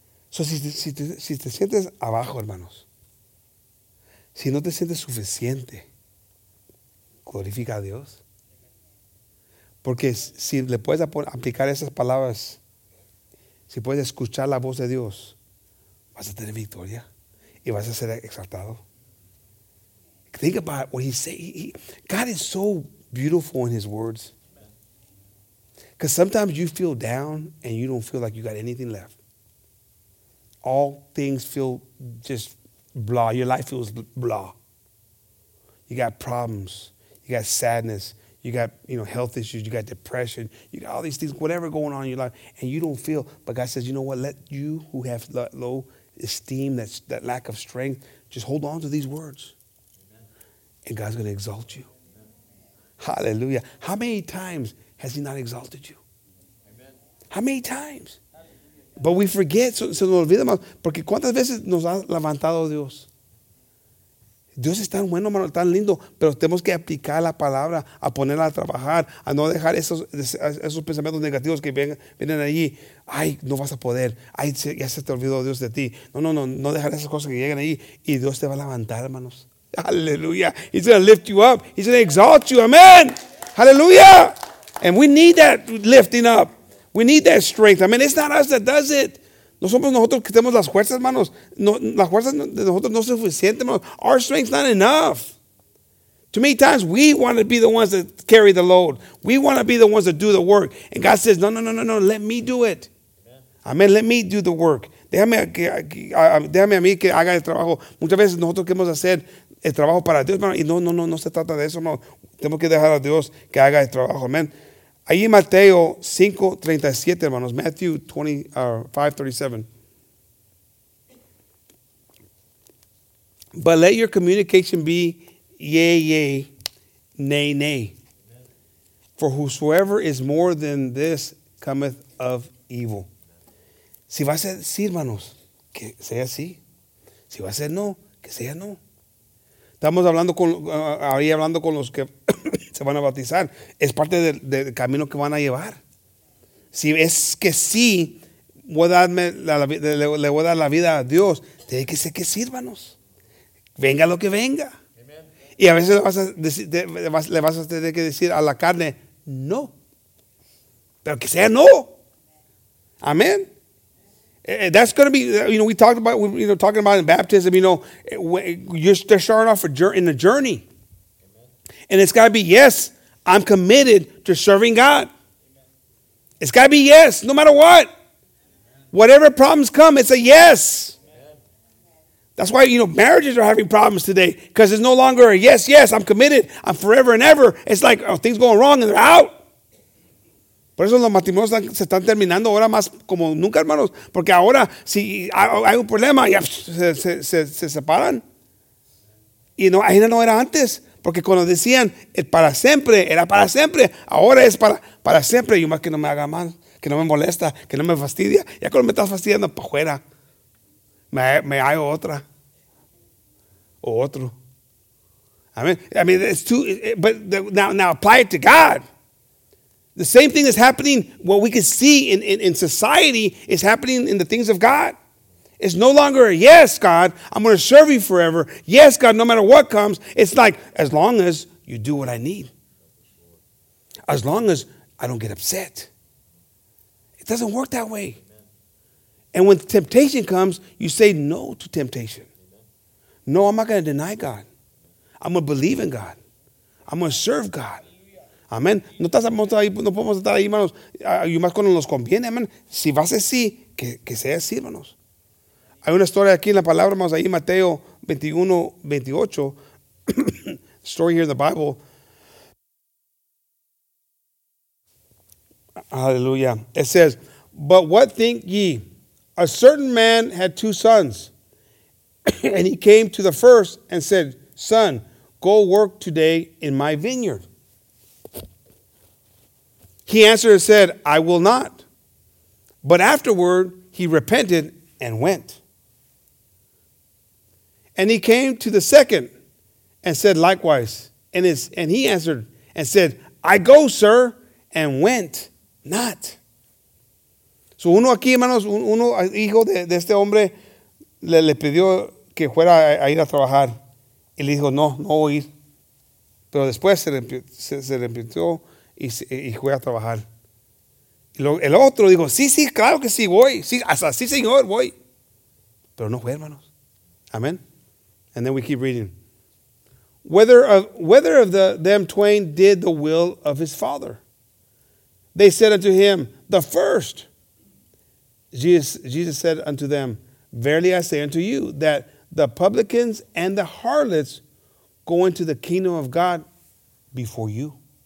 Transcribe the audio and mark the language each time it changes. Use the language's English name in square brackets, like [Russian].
[Spanish] So si te sientes abajo, hermanos, si no te sientes suficiente, glorifica a Dios. Porque si le puedes aplicar esas palabras, si puedes escuchar la voz de Dios, vas a tener victoria y vas a ser exaltado. [English] Think about what he said. God is so beautiful in his words. Because sometimes you feel down and you don't feel like you got anything left. All things feel just blah. Your life feels blah. You got problems. You got sadness. You got, you know, health issues. You got depression. You got all these things, whatever going on in your life, and you don't feel. But God says, you know what? Let you who have low esteem, that lack of strength, just hold on to these words. Amen. And God's going to exalt you. Amen. Hallelujah. How many times has he not exalted you? Amen. How many times? But we forget, [Spanish] se nos olvida, hermano. Porque ¿cuántas veces nos ha levantado Dios? Dios es tan bueno, hermano, tan lindo. Pero tenemos que aplicar la palabra, a ponerla a trabajar, a no dejar esos pensamientos negativos que vienen allí. Ay, no vas a poder. Ay, ya se te olvidó Dios de ti. No dejar esas cosas que lleguen allí. Y Dios te va a levantar, hermanos. Aleluya. [English] He's going to lift you up. He's going to exalt you. Amen. Aleluya. And we need that lifting up. We need that strength. I mean, it's not us that does it. [Spanish] No somos nosotros que tenemos las fuerzas, hermanos. No, las fuerzas de nosotros no son suficientes, hermanos. [English] Our strength's not enough. Too many times we want to be the ones that carry the load. We want to be the ones that do the work. And God says, no, let me do it. Amen. I mean, let me do the work. [Spanish] Déjame a mí que haga el trabajo. Muchas veces nosotros queremos hacer el trabajo para Dios, hermanos. Y no se trata de eso, hermanos. Tenemos que dejar a Dios que haga el trabajo. Amen. Ahí en Mateo 5:37, hermanos, Matthew 5:37. [English] But let your communication be yea, yea, nay, nay. For whosoever is more than this cometh of evil. [Spanish] Si va a ser sí, hermanos, que sea sí. Si va a ser no, que sea no. Estamos hablando con ahí hablando con los que se van a bautizar. Es parte del camino que van a llevar. Si es que sí, le voy a dar la vida a Dios, tiene que ser que sírvanos. Venga lo que venga. Amen. Y a veces le vas a tener que decir a la carne, no. Pero que sea no. Amén. [English] That's going to be, you know, we're talking about in baptism, you know, you're starting off in a journey. And it's got to be, yes, I'm committed to serving God. It's got to be yes, no matter what. Whatever problems come, it's a yes. That's why, you know, marriages are having problems today, because it's no longer a yes, yes, I'm committed. I'm forever and ever. It's like, oh, things going wrong and they're out. [Spanish] Por eso los matrimonios se están terminando ahora más como nunca, hermanos. Porque ahora, si hay un problema, ya se separan. Y no, ahí no era antes. Porque cuando decían, el para siempre, era para siempre. Ahora es para siempre. Y más que no me haga mal, que no me molesta, que no me fastidia. Ya cuando me estás fastidiando, para afuera. Me hago otra. O otro. [English] I mean, it's too, but now apply it to God. The same thing is happening, what we can see in society is happening in the things of God. It's no longer a yes, God, I'm going to serve you forever. Yes, God, no matter what comes, it's like, as long as you do what I need. As long as I don't get upset. It doesn't work that way. And when temptation comes, you say no to temptation. No, I'm not going to deny God. I'm going to believe in God. I'm going to serve God. Amén. [Spanish] No estamos ahí, no podemos estar ahí, hermanos. Y más cuando nos conviene, amén. Si va a ser sí, que sea sí, hermanos. Hay una historia aquí en la palabra, hermanos, ahí Mateo 21, 28. [English] Story here in the Bible. [Spanish] Aleluya. [English] It says, but what think ye? A certain man had two sons, and he came to the first and said, son, go work today in my vineyard. He answered and said, I will not. But afterward, he repented and went. And he came to the second and said, likewise. And he answered and said, I go, sir, and went not. [Spanish] So uno aquí, hermanos, uno hijo de este hombre le pidió que fuera a ir a trabajar. Y le dijo, no voy a ir. Pero después se arrepintió. Y fue a trabajar. El otro dijo, sí, claro que sí, voy. Sí, hasta sí, señor, voy. Pero no fue, hermanos. Amen. [English] And then we keep reading. Whether of them twain did the will of his father? They said unto him, the first. Jesus said unto them, verily I say unto you, that the publicans and the harlots go into the kingdom of God before you.